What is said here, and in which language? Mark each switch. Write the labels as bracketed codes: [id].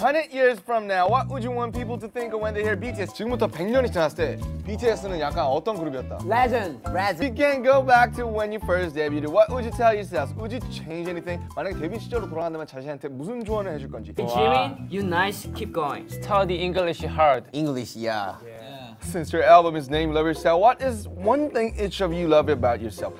[en] 100 years from now, what would you want people to think of when they hear BTS? [ko] 지금부터 100년이 지났을 때 BTS는 약간 어떤 그룹이었다? [en] Legend. You can go back to when you first debuted. What would you tell yourself? Would you change anything? [ko] 만약에 데뷔 시절로 돌아간다면 자신한테 무슨 조언을 해줄 건지? [en] Wow. Jimmy, you nice. Keep going. Study English hard. English, yeah. Yeah. Since your album is named Love Yourself, what is one thing each of you love about yourself?